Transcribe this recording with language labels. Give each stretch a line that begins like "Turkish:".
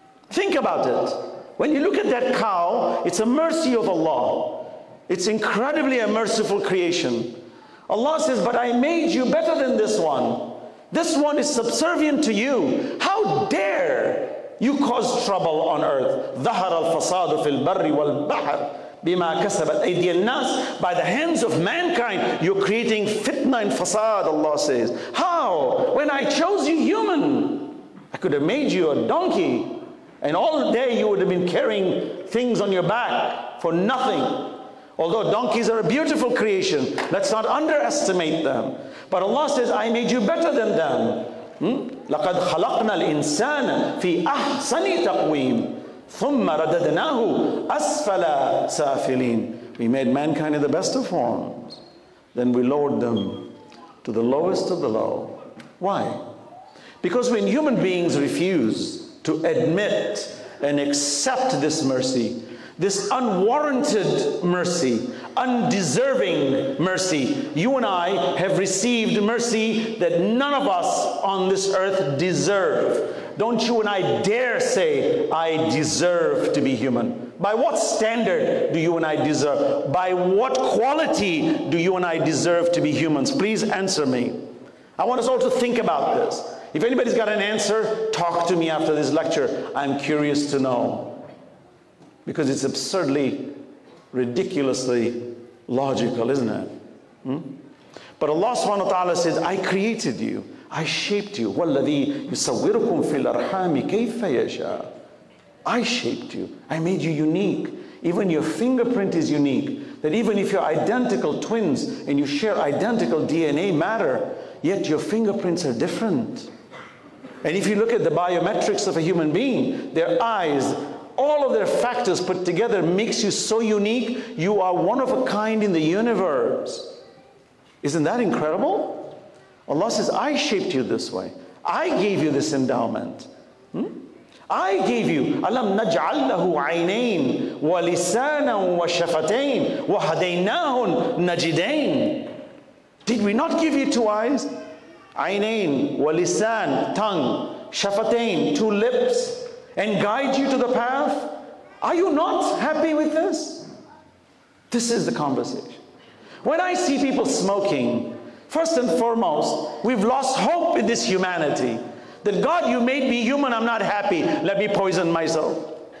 English: Think about it. When you look at that cow, it's a mercy of Allah. It's incredibly a merciful creation. Allah says, but I made you better than this one. This one is subservient to you. How dare you cause trouble on earth.
Arabic: ظهر الفساد في البر والبحر بما كسبت أيدي الناس.
English: By the hands of mankind, you're creating fitna and fasad, Allah says. How? When I chose you human, I could have made you a donkey. And all day you would have been carrying things on your back for nothing. Although donkeys are a beautiful creation, let's not underestimate them. But Allah says, I made you better than them.
Arabic: لَقَدْ خَلَقْنَا الْإِنسَانَ فِي أَحْسَنِ تَقْوِيمٍ ثُمَّ رَدَدْنَاهُ أَسْفَلَ سَافِلِينَ
English: We made mankind in the best of forms. Then we lowered them to the lowest of the low. Why? Because when human beings refuse to admit and accept this mercy, this unwarranted mercy, undeserving mercy, you and I have received mercy that none of us on this earth deserve. Don't you and I dare say, I deserve to be human. By what standard do you and I deserve? By what quality do you and I deserve to be humans? Please answer me. I want us all to think about this. If anybody's got an answer, talk to me after this lecture. I'm curious to know. Because it's absurdly, ridiculously logical, isn't it? But Allah subhanahu wa ta'ala says, I created you. I shaped you.
Arabic: وَالَّذِي يُصَوِّرُكُمْ فِي الْأَرْحَامِ كَيْفَ يَشَاءُ
English: I shaped you. I made you unique. Even your fingerprint is unique. That even if you're identical twins and you share identical DNA matter, yet your fingerprints are different. And if you look at the biometrics of a human being, their eyes, all of their factors put together makes you so unique. You are one of a kind in the universe. Isn't that incredible? Allah says, I shaped you this way. I gave you this endowment. I gave you.
Arabic: أَلَمْ نَجْعَلْ لَهُ عَيْنَيْنِ وَلِسَانًا وَشَفَتَيْنِ وَهَدَيْنَاهُ نَجِدَيْنِ
English: Did we not give you two eyes?
Arabic: عَيْنَيْنِ وَلِسَانِ
English: Tongue.
Arabic: شَفَتَيْنِ
English: Two lips. And guide you to the path? Are you not happy with this? This is the conversation. When I see people smoking, first and foremost, we've lost hope in this humanity. That God, you made me human, I'm not happy. Let me poison myself.